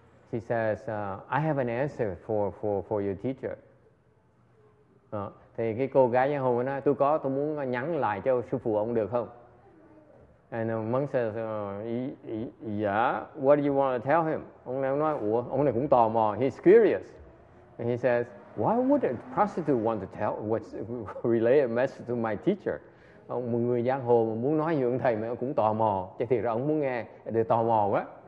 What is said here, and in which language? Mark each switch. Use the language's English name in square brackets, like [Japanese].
[English] She says, I have an answer for your teacher. [Vietnamese] Thì cái cô gái giang hồ nói, tôi muốn nhắn lại cho sư phụ ông được không? [English] And the monk says, yeah, what do you want to tell him? [Vietnamese] Ông nói, ủa, ông này cũng tò mò, [English] he's curious. And he says, why would a prostitute want to tell, relay a message to my teacher? [Vietnamese] Ông, một người giang hồ mà muốn nói với thầy mà cũng tò mò. Chắc thiệt là ông muốn nghe, để tò mò quá.